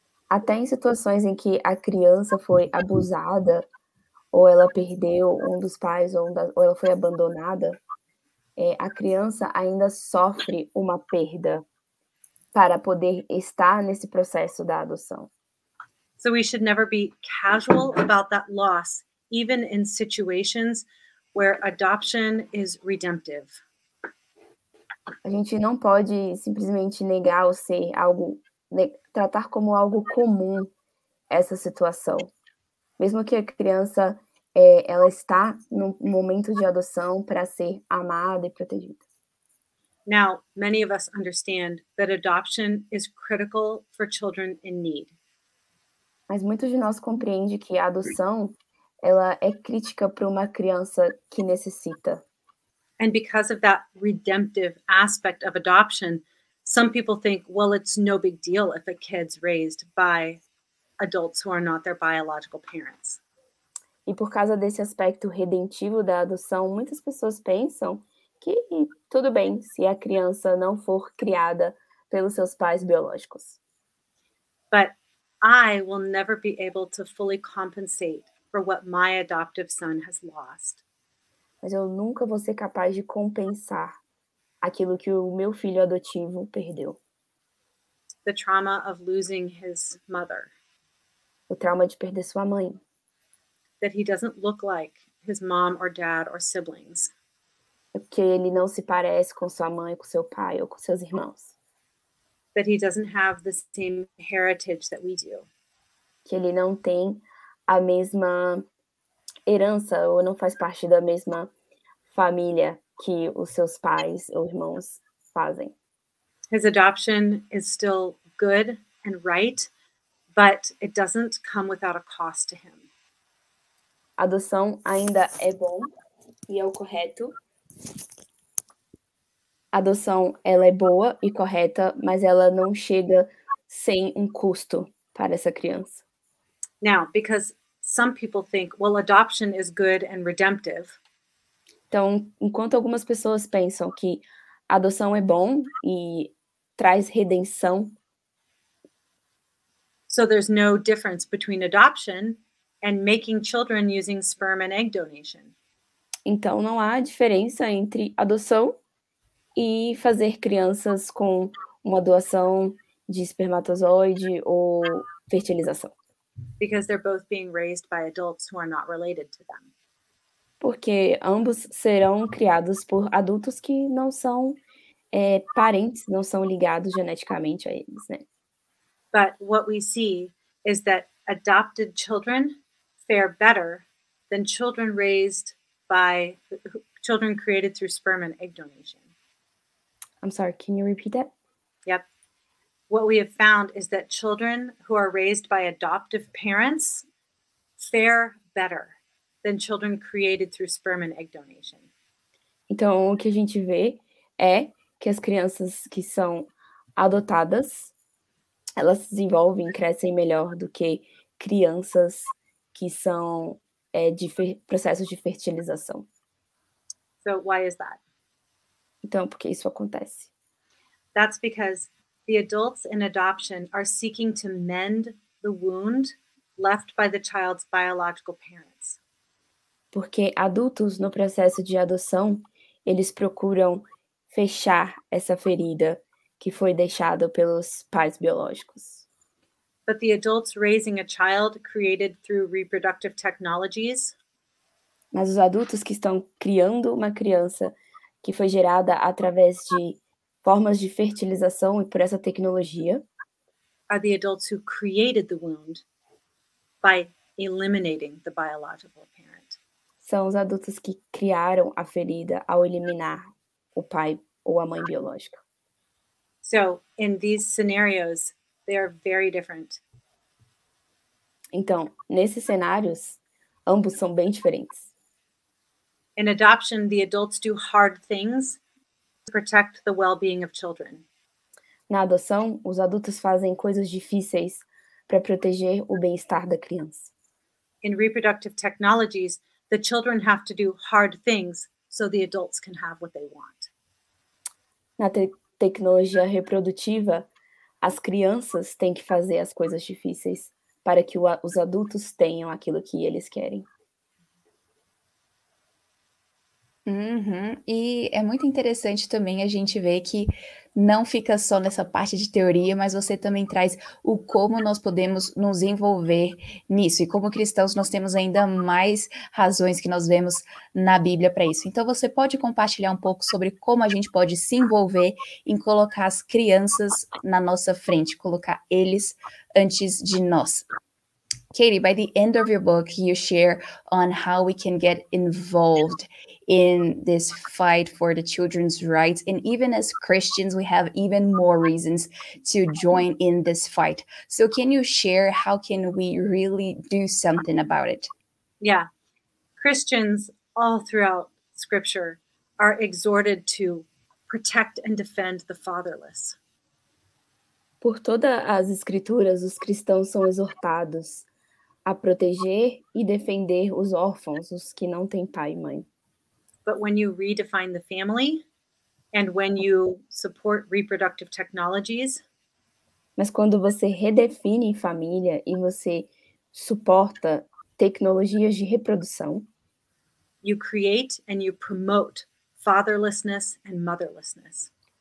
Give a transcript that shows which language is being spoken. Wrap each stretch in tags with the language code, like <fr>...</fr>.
<pt>Até em situações em que a criança foi abusada ou ela perdeu um dos pais, ou ela foi abandonada, a criança ainda sofre uma perda para poder estar nesse processo da adoção.</pt> <en>So we should never be casual about that loss, even in situations where adoption is redemptive.</en> <pt>A gente não pode simplesmente negar ou ser algo, tratar como algo comum essa situação. Mesmo que a criança, ela está no momento de adoção para ser amada e protegida.</pt> <en>Now, many of us understand that adoption is critical for children in need.</en> <pt>Mas muitos de nós compreendem que a adoção, ela é crítica para uma criança que necessita.</pt> <en>And because of that redemptive aspect of adoption, some people think, well, it's no big deal if a kid's raised by adults who are not their biological parents.</en> <pt>E por causa desse aspecto redentivo da adoção, muitas pessoas pensam que tudo bem se a criança não for criada pelos seus pais biológicos.</pt> <en>But I will never be able to fully compensate for what my adoptive son has lost.</en> <pt>Mas eu nunca vou ser capaz de compensar aquilo que o meu filho adotivo perdeu.</pt> <en>The trauma of losing his mother.</en> <pt>O trauma de perder sua mãe.</pt> <en>That he doesn't look like his mom or dad or siblings.</en> <pt>Que ele não se parece com sua mãe, com seu pai ou com seus irmãos.</pt> <en>That he doesn't have the same heritage that we do.</en> <pt>Que ele não tem a mesma herança ou não faz parte da mesma família que os seus pais ou irmãos fazem.</pt> <en>His adoption is still good and right, but it doesn't come without a cost to him.</en> <pt>A adoção ainda é bom e é o correto. A adoção, ela é boa e correta, mas ela não chega sem um custo para essa criança.</pt> <en>Now, because some people think, well, adoption is good and redemptive.</en> <pt>Então, enquanto algumas pessoas pensam que a adoção é bom e traz redenção.</pt> <en>So there's no difference between adoption and making children using sperm and egg donation.</en> <pt>Então, não há diferença entre adoção e fazer crianças com uma doação de espermatozoide ou fertilização.</pt> <en>Because they're both being raised by adults who are not related to them.</en> <pt>Porque ambos serão criados por adultos que não são parentes, não são ligados geneticamente a eles, né?</pt> <en>But what we see is that adopted children fare better than children raised by children created through sperm and egg donation. I'm sorry, can you repeat that? Yep. What we have found is that children who are raised by adoptive parents fare better than children created through sperm and egg donation.</en> <pt>Então, o que a gente vê é que as crianças que são adotadas, elas se desenvolvem e crescem melhor do que crianças que são de processos de fertilização.</pt> <en>So, why is that?</en> <pt>Então, por que isso acontece?</pt> <en>That's because the adults in adoption are seeking to mend the wound left by the child's biological parents.</en> <pt>Porque adultos no processo de adoção, eles procuram fechar essa ferida que foi deixada pelos pais biológicos.</pt> <en>But the adults raising a child created through reproductive technologies.</en> <pt>Mas os adultos que estão criando uma criança que foi gerada através de formas de fertilização e por essa tecnologia.</pt> <en>Are the adults who created the wound by eliminating the biological parent.</en> <pt>São os adultos que criaram a ferida ao eliminar o pai ou a mãe biológica.</pt> <en>So, in these scenarios, they are very different.</en> <pt>Então, nesses cenários, ambos são bem diferentes.</pt> <en>In adoption, the adults do hard things to protect the well-being of children.</en> <pt>Na adoção, os adultos fazem coisas difíceis para proteger o bem-estar da criança.</pt> <en>In reproductive technologies, the children have to do hard things so the adults can have what they want.</en> <pt>Na tecnologia reprodutiva, as crianças têm que fazer as coisas difíceis para que os adultos tenham aquilo que eles querem. E é muito interessante também a gente ver que não fica só nessa parte de teoria, mas você também traz o como nós podemos nos envolver nisso. E como cristãos, nós temos ainda mais razões que nós vemos na Bíblia para isso. Então, você pode compartilhar um pouco sobre como a gente pode se envolver em colocar as crianças na nossa frente, colocar eles antes de nós.</pt> <en>Katie, by the end of your book, you share on how we can get involved in this fight for the children's rights. And even as Christians, we have even more reasons to join in this fight. So can you share how can we really do something about it? Yeah. Christians all throughout scripture are exhorted to protect and defend the fatherless.</en> <pt>Por todas as escrituras, os cristãos são exortados a proteger e defender os órfãos, os que não têm pai e mãe. But when you redefine the family and when you support reproductive technologies, mas quando você redefine família e você suporta tecnologias de reprodução,</pt> <en>you create and you promote fatherlessness and motherlessness.</en>